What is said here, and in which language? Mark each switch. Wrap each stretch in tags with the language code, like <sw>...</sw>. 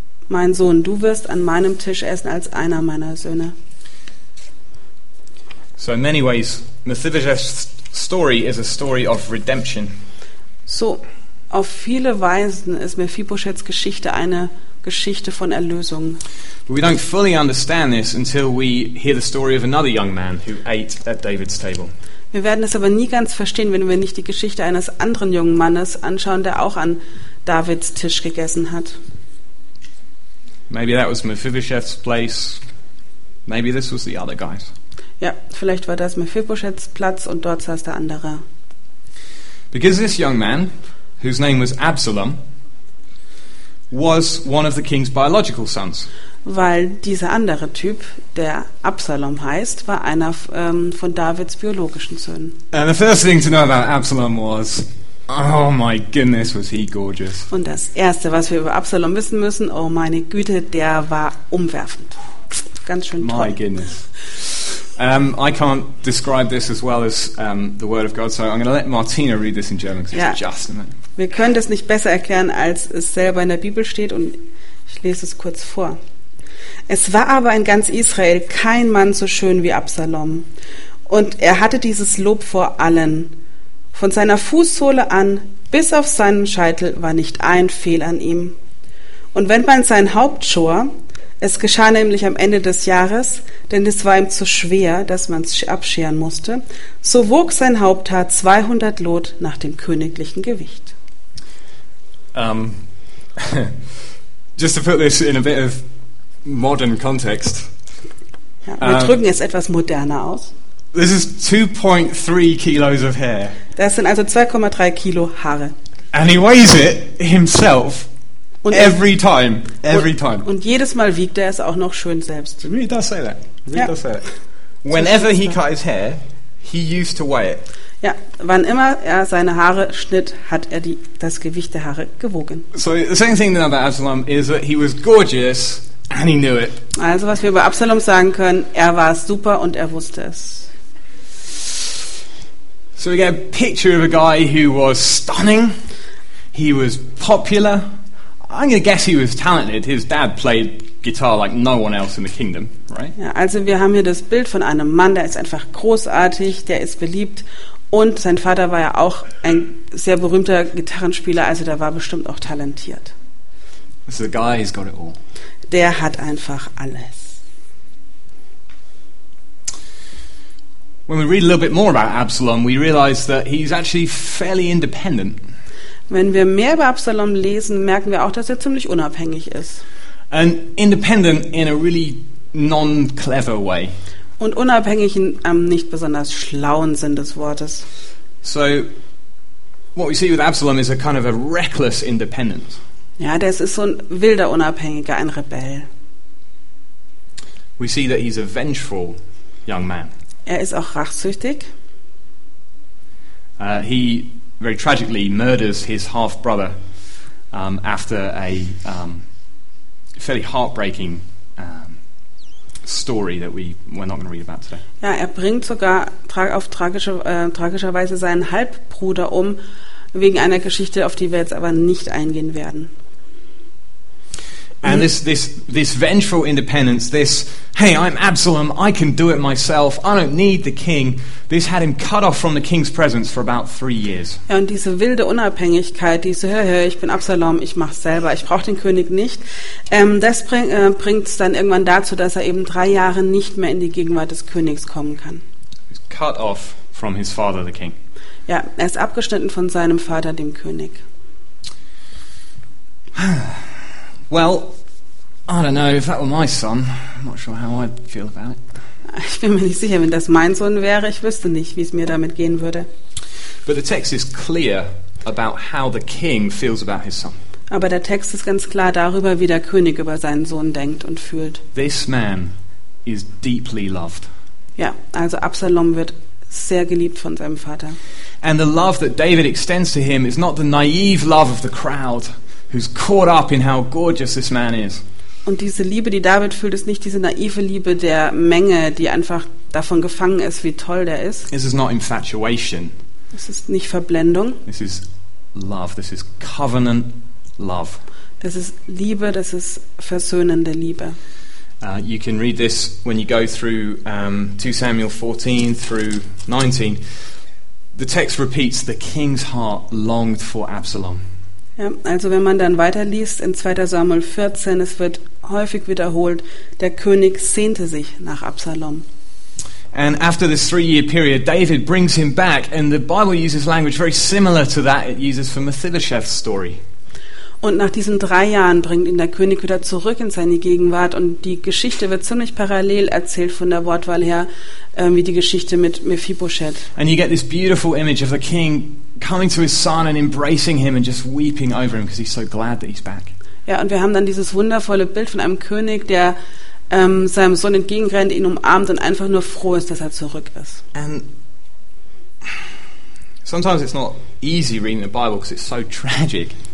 <de>Mein Sohn, du wirst an meinem Tisch essen als einer meiner Söhne.</de> <en>So in many ways, Mephibosheth's story is a story of redemption.</en> <de>So auf viele Weisen ist Mephibosheths Geschichte eine Geschichte von Erlösung.</de> <en>But we don't fully understand this until we hear the story of another young man who ate at David's table.</en> <de>Wir werden es aber nie ganz verstehen, wenn wir nicht die Geschichte eines anderen jungen Mannes anschauen, der auch an Davids Tisch gegessen hat.</de> <en>Maybe that was Mephibosheth's place. Maybe this was the other guy's.</en> <de>Ja, vielleicht war das Mephibosheths Platz und dort saß der andere.</de> <en>Because this young man, whose name was Absalom, was one of the king's biological sons.</en> <de>Weil dieser andere Typ, der Absalom heißt, war einer von Davids biologischen Söhnen.</de> <en>And the first thing to know about Absalom was, oh my goodness, was he gorgeous.</en> <de>Und das Erste, was wir über Absalom wissen müssen, oh meine Güte, der war umwerfend. Ganz schön toll.</de> <en>My goodness. I can't describe this as well as the Word of God, so I'm going to let Martina read this in German, because it's just a minute.</en> <de>Wir können das nicht besser erklären, als es selber in der Bibel steht, und ich lese es kurz vor. Es war aber in ganz Israel kein Mann so schön wie Absalom. Und er hatte dieses Lob vor allen. Von seiner Fußsohle an bis auf seinen Scheitel war nicht ein Fehl an ihm. Und wenn man sein Haupt schor, es geschah nämlich am Ende des Jahres, denn es war ihm zu schwer, dass man es abscheren musste, so wog sein Haupthaar 200 Lot nach dem königlichen Gewicht.</de> <en>Just to put this in a bit of modern context.</en> <de>Ja, wir drücken es etwas moderner aus.</de> <en>This is 2.3 kilos of hair.</en> <de>Das sind also 2,3 Kilo Haare.</de> <en>And he weighs it himself und every time, every</en> <de>und,</de> <en>time.</en> <de>Und jedes Mal wiegt er es auch noch schön selbst.</de> <en>Really does say that. Really does say that. Whenever he cut his hair, he used to weigh it.</en> <de>Ja, wann immer er seine Haare schnitt, hat er das Gewicht der Haare gewogen.</de> <en>So the same thing about Absalom is that he was gorgeous. And he knew it.</en> <de>Also, was wir über Absalom sagen können, er war super und er wusste es.</de> <en>So we get a picture of a guy who was stunning. He was popular. I'm going to guess he was talented. His dad played guitar like no one else in the kingdom, right?</en> <de>Ja, also wir haben hier das Bild von einem Mann, der ist einfach großartig, der ist beliebt und sein Vater war ja auch ein sehr berühmter Gitarrenspieler, also der war bestimmt auch talentiert.</de> <en>This is the guy, he's got it all.</en> <de>Der hat einfach alles.</de> <en>When we read a little bit more about Absalom, we realize that he's actually fairly independent.</en> <de>Wenn wir mehr über Absalom lesen, merken wir auch, dass er ziemlich unabhängig ist.</de> <en>And independent in a really non-clever way.</en> <de>Und unabhängig in einem nicht besonders schlauen Sinn des Wortes.</de> <en>So, what we see with Absalom is a kind of a reckless independence.</en> <de>Ja, das ist so ein wilder Unabhängiger, ein Rebell.</de> <en>We see that he's a vengeful young man.</en> <de>Er ist auch rachsüchtig.</de> <en>He very tragically murders his half brother after a fairly heartbreaking story that we're not going to read about today.</en> <de>Ja, er bringt sogar tragischerweise seinen Halbbruder um wegen einer Geschichte, auf die wir jetzt aber nicht eingehen werden.</de> <en>And this vengeful independence, this hey, I'm Absalom, I can do it myself, I don't need the king. This had him cut off from the king's presence for about 3 years.</en> <de>Ja, und diese wilde Unabhängigkeit, diese hör, ich bin Absalom, ich mach's selber, ich brauche den König nicht. Das bringt's dann irgendwann dazu, dass er eben 3 Jahre nicht mehr in die Gegenwart des Königs kommen kann.</de> <en>He's cut off from his father, the king.</en> <de>Ja, er ist abgeschnitten von seinem Vater, dem König.</de> <en>Well, I don't know if that were my son. I'm not sure how I'd feel about it.</en> <de>Ich bin mir nicht sicher, wenn das mein Sohn wäre. Ich wüsste nicht, wie es mir damit gehen würde.</de> <en>But the text is clear about how the king feels about his son.</en> <de>Aber der Text ist ganz klar darüber, wie der König über seinen Sohn denkt und fühlt.</de> <en>This man is deeply loved.</en> <de>Ja, also Absalom wird sehr geliebt von seinem Vater.</de> <en>And the love that David extends to him is not the naive love of the crowd, who's caught up in how gorgeous this man is.</en> <de>Und diese Liebe, die David fühlt, ist nicht diese naive Liebe der Menge, die einfach davon gefangen ist, wie toll der ist.</de> <en>This is not infatuation.</en> <de>Es ist nicht Verblendung.</de> <en>This is love. This is covenant love.</en> <de>Das ist Liebe, das ist versöhnende Liebe.</de> <en>You can read this when you go through 2 Samuel 14 through 19. The text repeats, the king's heart longed for Absalom.</en> <de>Ja, also wenn man dann weiterliest in 2. Samuel 14, es wird häufig wiederholt, der König sehnte sich nach Absalom.</de> <en>And after this 3 year period, David brings him back, and the Bible uses language very similar to that it uses for Mephibosheth's story.</en> <de>Und nach diesen 3 Jahren bringt ihn der König wieder zurück in seine Gegenwart, und die Geschichte wird ziemlich parallel erzählt von der Wortwahl her, wie die Geschichte mit Mephibosheth.</de> <en>And you get this beautiful image of the king coming to his son and embracing him and just weeping over him because he's so glad that he's back.</en> <de>Ja, und wir haben dann dieses wundervolle Bild von einem König, der seinem Sohn entgegenrennt, ihn umarmt und einfach nur froh ist, dass er zurück ist.</de> <en>And sometimes it's not easy reading the Bible because it's so tragic.</en>